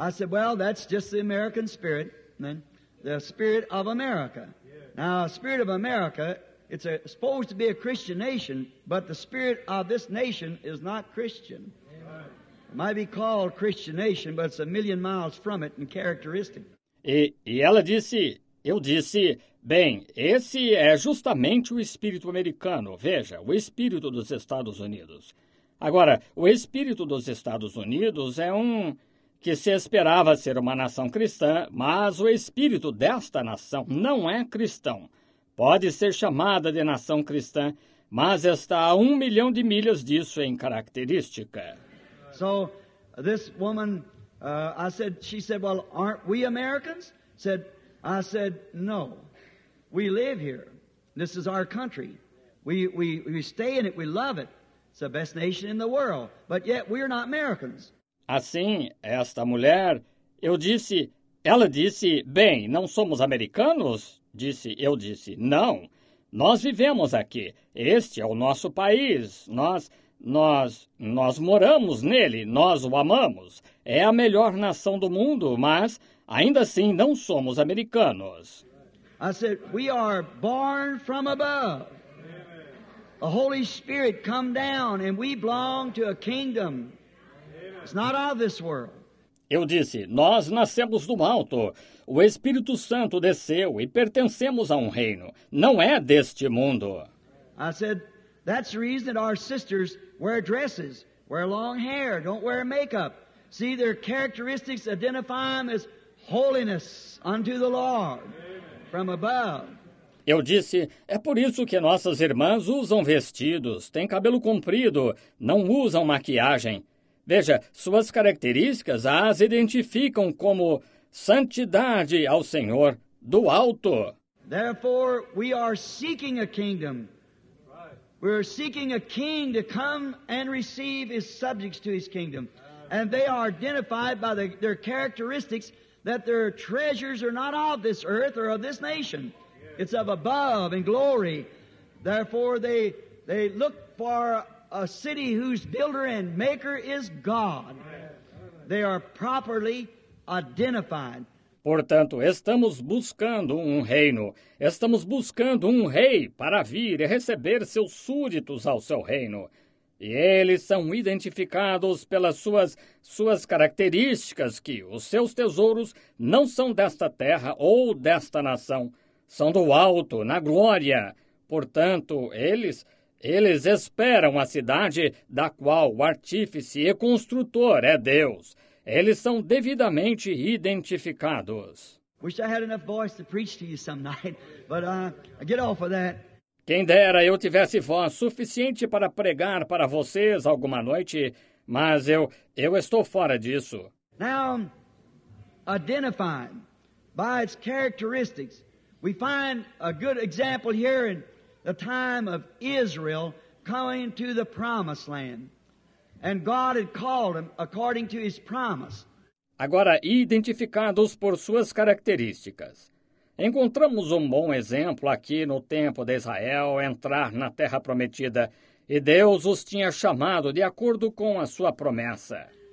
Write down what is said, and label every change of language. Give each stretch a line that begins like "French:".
English: Well, that's just the American spirit, man. The spirit of America. Now, the spirit of America... It's supposed to be a Christian nation, but the spirit of this nation is not Christian. It might be called Christian nation, but it's a million miles from it in characteristic.
Portuguese: E ela disse, eu disse, bem, esse é justamente o espírito americano. Veja, o espírito dos Estados Unidos. Agora, o espírito dos Estados Unidos é um que se esperava ser uma nação cristã, mas o espírito desta nação não é cristão. Pode ser chamada de nação cristã, mas está a 1 milhão de milhas disso em característica.
English: So, this woman, she said, well, aren't we Americans? I said, no, we live here. This is our country. We stay in it, we love it. It's the best nation in the world, but yet we're not Americans.
Portuguese: Assim, esta mulher, ela disse, bem, não somos americanos? Eu disse, não, nós vivemos aqui, este é o nosso país, nós moramos nele, nós o amamos, é a melhor nação do mundo, mas ainda assim não somos americanos.
English: I said, we are born from above, the Holy Spirit come down and we belong to a kingdom, it's not of this world.
Portuguese: Eu disse, nós nascemos do alto, o Espírito Santo desceu e pertencemos a um reino, não é deste mundo.
English: I said, that's the reason that our sisters wear dresses, wear long hair, don't wear makeup. See, their characteristics identify them as holiness unto the Lord, from above.
Portuguese: Eu disse, é por isso que nossas irmãs usam vestidos, têm cabelo comprido, não usam maquiagem. Veja, suas características as identificam como santidade ao Senhor do alto.
English: Therefore, we are seeking a kingdom. We are seeking a king to come and receive his subjects to his kingdom. And they are identified by their characteristics that their treasures are not of this earth or of this nation. It's of above in glory. Therefore, they look for a city whose builder and maker is God. They are properly identified.
Portuguese: Portanto, estamos buscando um reino. Estamos buscando um rei para vir e receber seus súditos ao seu reino. E eles são identificados pelas suas características, que os seus tesouros não são desta terra ou desta nação. São do alto, na glória. Portanto, eles esperam a cidade da qual o artífice e construtor é Deus. Eles são devidamente identificados.
English: Wish I had enough voice to preach to you some night, but I get off of that.
Portuguese: Quem dera eu tivesse voz suficiente para pregar para vocês alguma noite, mas eu estou fora disso.
English: Now, identified by its characteristics, we find a good example here in the time of Israel coming to the promised land. And God had called them according to his promise.
Portuguese: Agora, identificados por suas características. Encontramos um bom exemplo aqui no tempo de Israel entrar na terra prometida. E Deus os tinha chamado de acordo com a sua promessa.